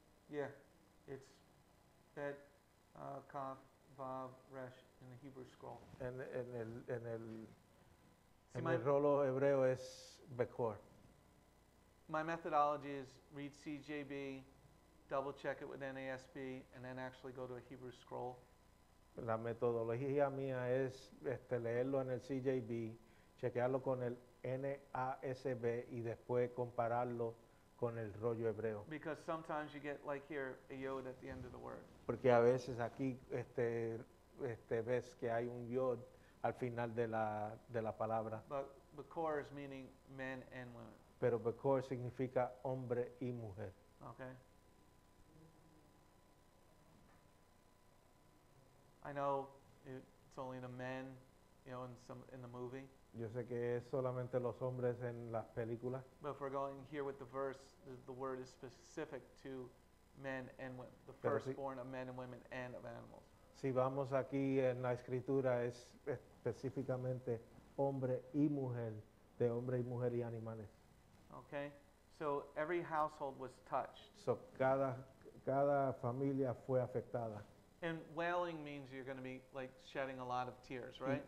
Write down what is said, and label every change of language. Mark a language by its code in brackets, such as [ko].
[en] Yeah, it's Bet, Kaf, Vav, Resh in the Hebrew scroll. [es] En el rollo hebreo es Bekor. [en] My methodology is read CJB, double check it with NASB, and then actually go to a Hebrew scroll. [es] La metodología mía es leerlo en el CJB, chequearlo con el NASB, y después compararlo. Con el rollo hebreo. [en] Because sometimes you get like here a yod at the end of the word. [es] Porque a veces aquí ves que hay un yod al final de la palabra. [en] But Bekor is meaning men and women. [es] Pero Bekor significa hombre y mujer. [en] Okay. I know it's only the men, in the movie. [es] Yo sé que es solamente los hombres en las películas. [en] But if we're going here with the verse, the word is specific to men and women, the firstborn of men and women and of animals. [es] Si vamos aquí en la escritura, es específicamente hombre y mujer, de hombre y mujer y animales. [en] Okay, so every household was touched. [es] So cada familia fue afectada. [en] And wailing means you're going to be like shedding a lot of tears, right?